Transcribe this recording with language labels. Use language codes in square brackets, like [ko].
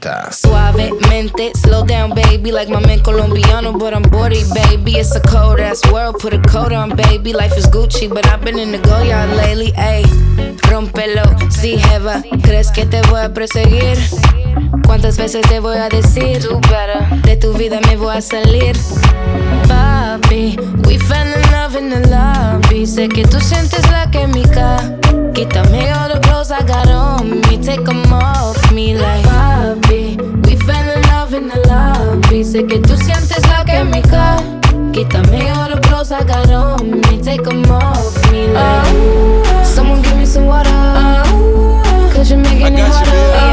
[es] Suavemente, [en] slow down, baby. Like my man Colombiano, but I'm bored, baby. It's a cold ass world, put a coat on, baby. Life is Gucci, but I've been in the Goyard lately, ay. [es] Rompelo, si jeva, ¿crees que te voy a perseguir? ¿Cuántas veces te voy a decir? [en] Do better. [es] De tu vida me voy a salir. [en] Papi, we fell in love in the lobby. [es] Sé que tú sientes la química. Quítame [en] all the clothes I got on me. Take them off me, like. Papi, we fell in love in the lobby. [es] Sé que tú sientes la química. Quítame [en] all the clothes I got on me. Take them off me, like. Someone give me some water. Cause you're making it harder.